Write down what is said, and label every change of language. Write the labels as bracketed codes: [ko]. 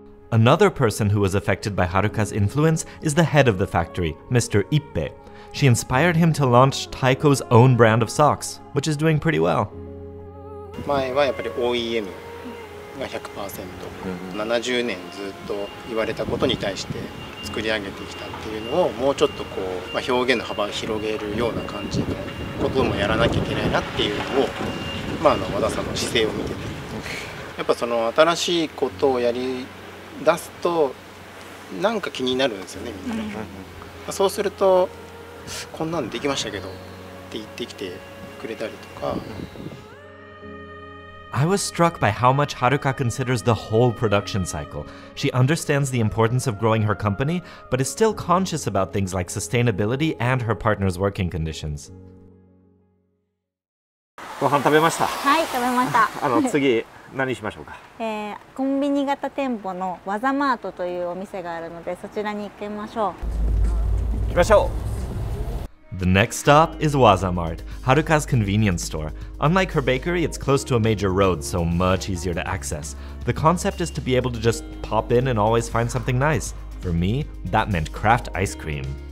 [en] Another person who was affected by Haruka's influence is the head of the factory, Mr. Ippe. She inspired him to launch Taiko's own brand of socks, which is doing pretty well. [ja] 前はやっぱり OEM が 100%、70年ずっと言われたことに対して作り上げてきたっていうのをもうちょっとこう、まあ、表現の幅を広げるような感じで。こともやらなきゃいけないなっていうのを、まあ、あの和田さんの姿勢を見てて、やっぱその新しいことをやり出すとなんか気になるんですよね、みんな。そうするとこんなんできましたけどって言ってきてくれたりとか。 [en] I was struck by how much Haruka considers the whole production cycle. She understands the importance of growing her company, but is still conscious about things like sustainability and her partner's working conditions. [ja] ご飯食べました。はい、食べました。あの次何しましょうか。コンビニ型店舗のワザマートというお店があるので、そちらに行きましょう。行きましょう。 [en] The next stop is Wazamart, Haruka's convenience store. Unlike her bakery, it's close to a major road, so much easier to access. The concept is to be able to just pop in and always find something nice. For me, that meant Kraft ice cream.